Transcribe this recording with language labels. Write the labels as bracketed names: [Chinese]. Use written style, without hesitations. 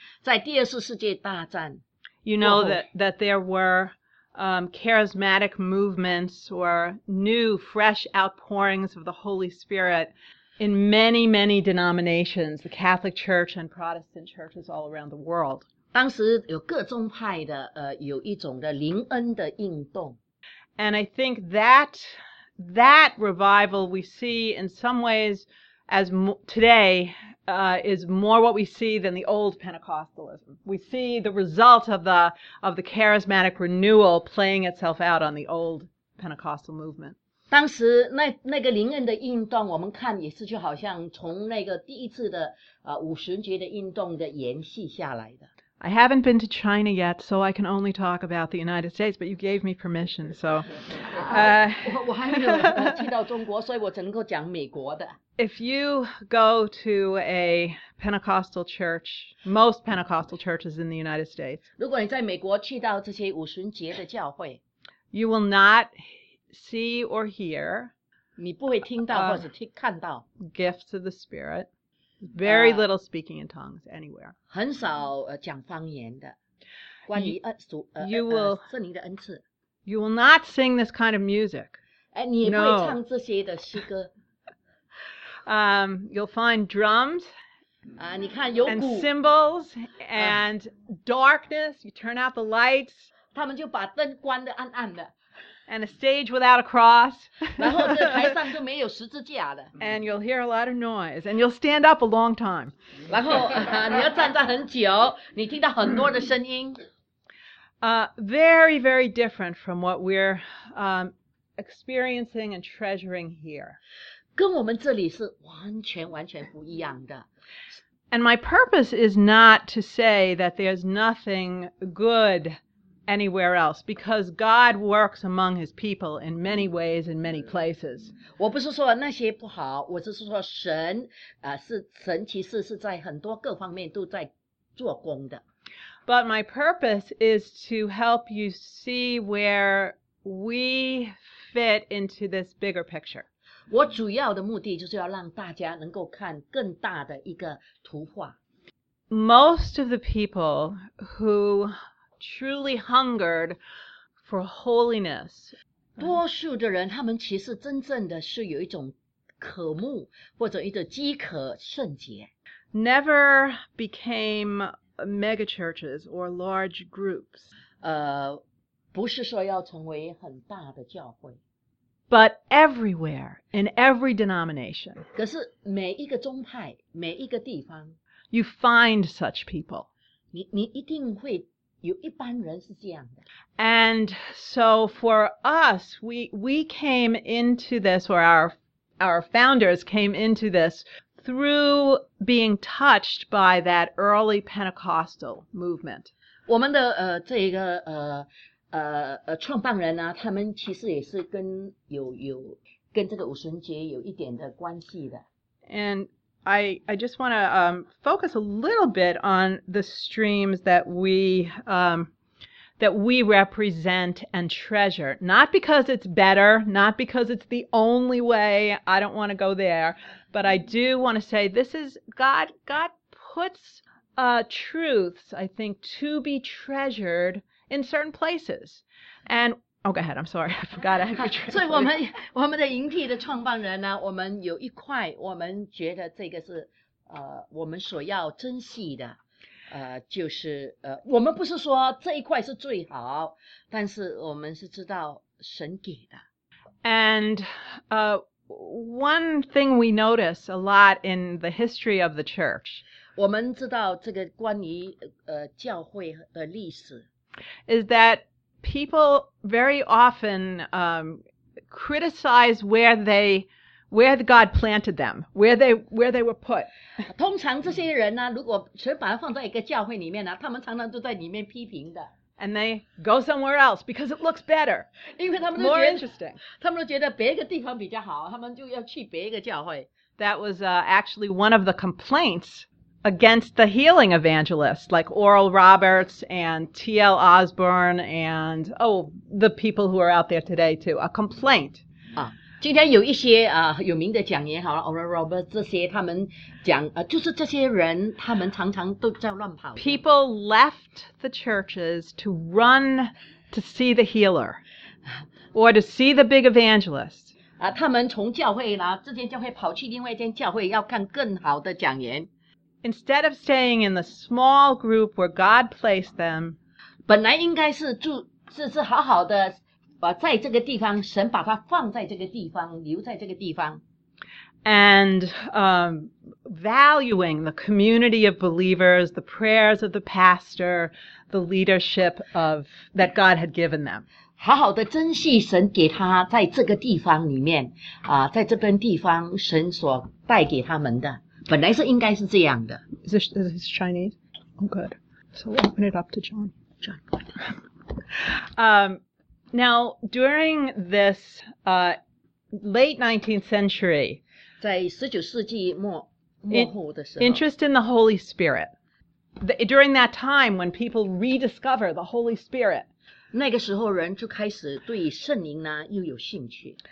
[Chinese] 在第二次世界大战， [English] you know that there were charismatic movements or new, fresh outpourings of the Holy Spirit. In many, many denominations, the Catholic Church and Protestant churches all around the world. [Chinese] 当时有各宗派的有一种的灵恩的运动。 [English] And I think that revival we see in some ways as today is more what we see than the old Pentecostalism. We see the result of the charismatic renewal playing itself out on the old Pentecostal movement. [Chinese] 当时那个灵恩的运动，我们看也是就好像从那个第一次的五旬节的运动的延续下来的。 [English] I haven't been to China yet, so I can only talk about the United States. But you gave me permission, so. [Chinese] 我还没有去到中国，所以我只能够讲美国的。 [English] If you go to a Pentecostal church, most Pentecostal churches in the United States. [Chinese] 如果你在美国去到这些五旬节的教会 [English] ，you will not. See or hear, [Chinese] 你不会听到或者听看到 [English] gifts of the spirit. Very little speaking in tongues anywhere. [Chinese] 很少讲方言的。关于主圣灵的恩赐 [English] you will not sing this kind of music. [Chinese] 哎，你也不会唱这些的诗歌。 [English] You'll find drums. [Chinese] 你看有鼓 [English] and cymbals and darkness. You turn out the lights. [Chinese] 他们就把灯关得暗暗的。 [English] And a stage without a cross. [Chinese] 然后这台上就没有十字架的。 [English] And you'll hear a lot of noise, and you'll stand up a long time. [Chinese] 然后你要站在很久，你听到很多的声音。 [English] Very, very different from what we're experiencing and treasuring here. [Chinese] 跟我们这里是完全完全不一样的。 [English] And my purpose is not to say that there's nothing good. Anywhere else, because God works among His people in many ways in many places. [Chinese] 我不是说那些不好，我只是说神，是神其实是在很多各方面都在做工的。 [English] But my purpose is to help you see where we fit into this bigger picture. [Chinese] 我主要的目的就是要让大家能够看更大的一个图画。 [English] Most of the people who truly hungered for holiness. [Chinese] 多数的人，他们其实真正的是有一种渴慕或者一个饥渴圣洁。 [English] Never became mega churches or large groups. [Chinese] 不是说要成为很大的教会。 [English] But everywhere, in every denomination. [Chinese] 可是每一个宗派，每一个地方。 [English] You find such people. [Chinese] 你一定会。有一般人是这样的。 [English] And so for us, we came into this, or our founders came into this through being touched by that early Pentecostal movement. [Chinese] 我们的这一个创办人啊，他们其实也是跟有跟这个五旬节有一点的关系的。 [English] And I just want to focus a little bit on the streams that we represent and treasure. Not because it's better, not because it's the only way. I don't want to go there. But I do want to say this is God puts truths, I think, to be treasured in certain places. And, oh, go ahead. I'm sorry. I forgot. I have to translate. [Chinese] 我们的营地的创办人呢，我们有一块，我们觉得这个是我们所要珍惜的。就是我们不是说这一块是最好，但是我们是知道神给的。 [English] And one thing we notice a lot in the history of the church, [Chinese] 我们知道这个关于教会的历史， [English] is that people very often criticize where God planted them, where they were put. [Chinese] 通常这些人呢，如果神把他放在一个教会里面呢，他们常常都在里面批评的。 [English] And they go somewhere else because it looks better. [Chinese] 因为他们都觉得 [English] more interesting. [Chinese] 他们都觉得别一个地方比较好，他们就要去别一个教会。 [English] That was actually one of the complaints against the healing evangelists, like Oral Roberts and T.L. Osborne and, oh, the people who are out there today too, a complaint. [Chinese] 今天有一些有名的讲员，好了 Oral Roberts 这些，他们讲就是这些人他们常常都在乱跑。 [English] People left the churches to run to see the healer, or to see the big evangelist. [Chinese] 他们从教会呢，这间教会跑去另外一间教会，要看更好的讲员。 [English] Instead of staying in the small group where God placed them, [Chinese] 本来应该是是好好的，在这个地方，神把它放在这个地方，留在这个地方。 [English] And valuing the community of believers, the prayers of the pastor, the leadership of that God had given them. [Chinese] 好好的珍惜神给他在这个地方里面，在这边地方神所带给他们的。本来是应该是这样的。 [English] Is this Chinese? Oh, good. So we'll open it up to John. John. Now, during this late 19th century, [Chinese] 在19世纪末后的时候， [English] interest in the Holy Spirit, during that time when people rediscover the Holy Spirit, [Chinese] 那个时候人就开始对圣灵呢又有兴趣。